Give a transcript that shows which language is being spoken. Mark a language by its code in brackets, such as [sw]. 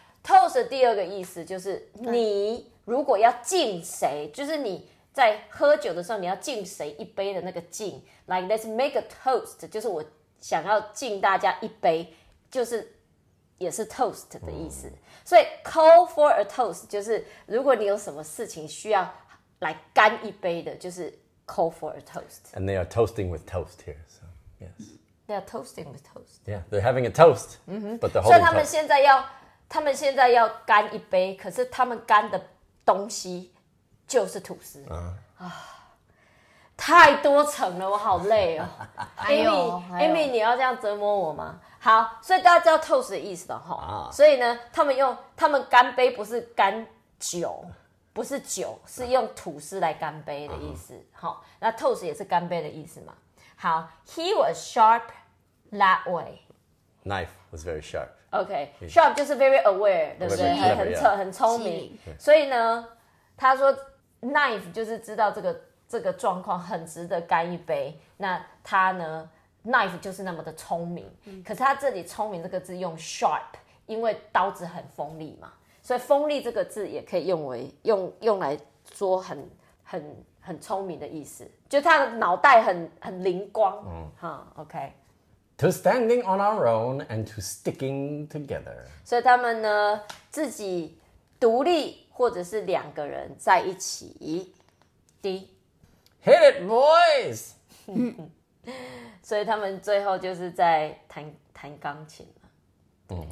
[zh] Toast 的第二个意思就是你如果要敬谁，就是你在喝酒的时候你要敬谁一杯的那个敬， [en] like let's make a toast， [zh] 就是我想要敬大家一杯，就是也是 toast 的意思、嗯、所以 call for a toast 就是如果你有什么事情需要来干一杯的，就是 call for a toast。 [en] And they are toasting with toast here, so yes. They are toasting with toast. Yeah, they're having a toast、mm-hmm. but they're holding toast. [zh] 所以他们现在要干一杯，可是他们干的东西就是吐司、啊、太多层了，我好累哦。 Amy， 你要这样折磨我吗？好，所以大家知道 toast 的意思了、啊、所以呢，他们干杯不是干酒，不是酒，是用吐司来干杯的意思、啊、好，那 toast 也是干杯的意思嘛。 [en] 好， he was sharp that way. Knife was very sharp. Okay, sharp [zh] 就是 [en] very aware， [zh] 对不对？ [en] Clever, [zh] 很扯、yeah. 很聪明。所以呢，他说 knife 就是知道这个状况很值得干一杯。那他呢 ，knife 就是那么的聪明。可是他这里聪明这个字用 sharp， 因为刀子很锋利嘛，所以锋利这个字也可以用来说很聪明的意思，就他的脑袋很灵光。嗯，哈 ，OK。 [en] To standing on our own and to sticking together. [zh] 所以他们呢，自己独立或者是两个人在一起。 [en] D. Hit it, boys! [zh] 所以他们最后就是在弹钢琴了。